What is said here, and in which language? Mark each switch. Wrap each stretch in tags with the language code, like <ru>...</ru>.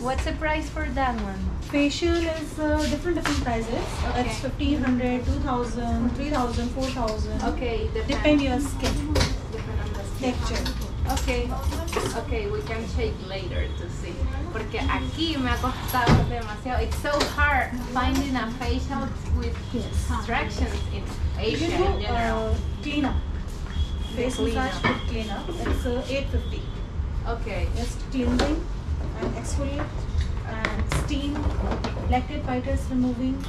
<en>What's the price for that one? Facial is different prices. Okay. It's 1500, 2000, 3000, 4000. Okay, depending on your skin. Texture. Okay, we can check later to see.</en> <es>Porque aquí me ha costado demasiado.</es> <en>It's so hard finding a facial with extractions in Asia in general. Clean up. Face massage with clean up. It's 850. Okay. Just cleansing and exfoliate and steam, lactate fighters removing,</en>